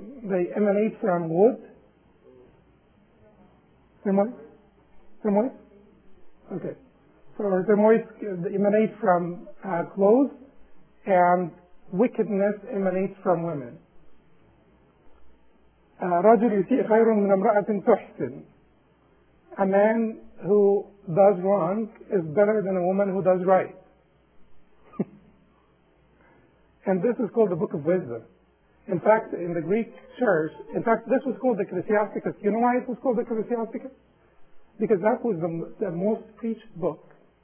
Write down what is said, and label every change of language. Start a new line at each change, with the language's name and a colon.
English: They emanate from wood. Termites. Okay. So termites emanate from clothes, and wickedness emanates from women.
Arabic: رجل يسيء خير من امرأة تحسن.
English: A man who does wrong is better than a woman who does right. And this is called the Book of Wisdom. In fact, in the Greek church, in fact, this was called the Ecclesiasticus. You know why it was called the Ecclesiasticus? Because that was the most preached book.